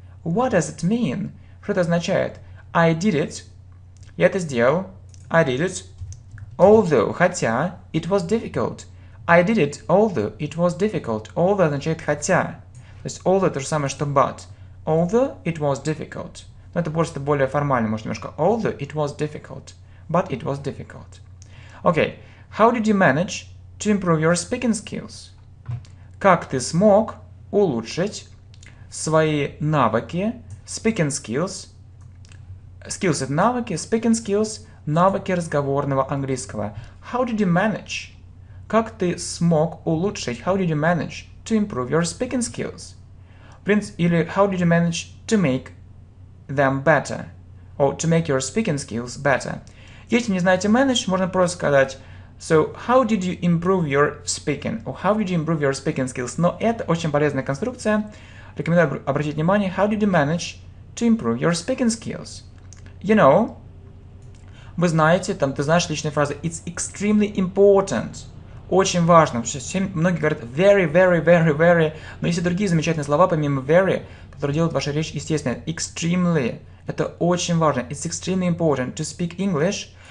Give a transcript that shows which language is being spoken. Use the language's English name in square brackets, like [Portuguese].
[English] What does it mean? [Russian] Что это означает? [English] I did it. [Russian] Я это сделал. [English] I did it. Although – хотя. It was difficult. I did it, although it was difficult. [Russian] Although означает «хотя». То есть although – то же самое, что but. [English] Although it was difficult. [Russian] Но это просто более формально, может, немножко. [English] Although it was difficult. But it was difficult. Okay. How did you manage to improve your speaking skills? [Russian] Как ты смог улучшить свои навыки, [English] speaking skills? [Russian] Skills – это навыки, speaking skills – навыки разговорного английского. [English] How did you manage? [Russian] Как ты смог улучшить? [English] How did you manage to improve your speaking skills? Или how did you manage to make them better? Or to make your speaking skills better? [Russian] Если не знаете manage, можно просто сказать [English] so how did you improve your speaking? Or how did you improve your speaking skills? [Russian] Но это очень полезная конструкция. Рекомендую обратить внимание. [English] How did you manage to improve your speaking skills? You know, [Russian] вы знаете, там ты знаешь личные фразы. [English] It's extremely important. [Russian] Очень важно. Многие говорят very, very, very, very. Но есть и другие замечательные слова, помимо very, которые делают вашу речь естественной. [English] Extremely. [Russian] Это очень важно. [English] It's extremely important to speak English.